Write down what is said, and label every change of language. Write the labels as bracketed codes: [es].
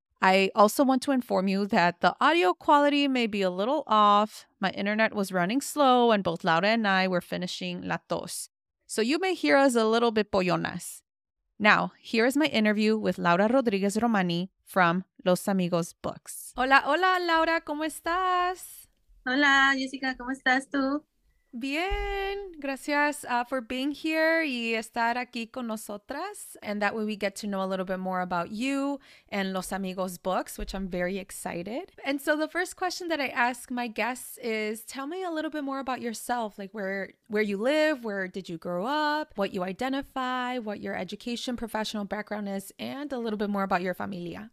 [en] I also want to inform you that the audio quality may be a little off. My internet was running slow and both Laura and I were finishing La Tos. So you may hear us a little bit pollonas. Now, here is my interview with Laura Rodriguez Romani from Los Amigos Books. [es] Hola, hola, Laura, ¿cómo estás? Hola, Jessica, ¿cómo estás tú? Bien, gracias [en] for being here [es] y estar aquí con nosotras. [en] And that way we get to know a little bit more about you and Los Amigos Books, which I'm very excited. And so the first question that I ask my guests is, tell me a little bit more about yourself, like where you live, where did you grow up, what you identify, what your education professional background is, and a little bit more about your familia.